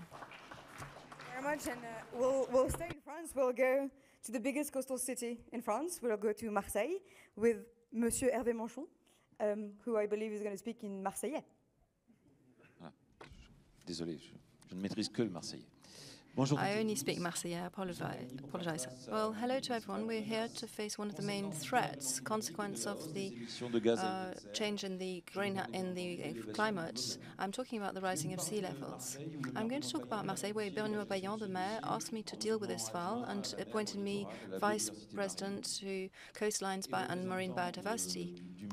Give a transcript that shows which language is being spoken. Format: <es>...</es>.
<en>Thank you very much, and we'll stay in France. We'll go to the biggest coastal city in France. We'll go to Marseille with Monsieur Hervé Manchon. Who I believe is going to speak in Marseillais.</en> <fr>Ah, désolé, je ne maîtrise que le Marseillais. Bonjour.</fr> <en>I only speak Marseillais. I apologize. Well, hello to everyone. We're here to face one of the main threats, consequence of the change in the climate. I'm talking about the rising of sea levels. I'm going to talk about Marseille, where Bernard Bayon, the mayor, asked me to deal with this file and appointed me vice president to coastlines and marine biodiversity.</en>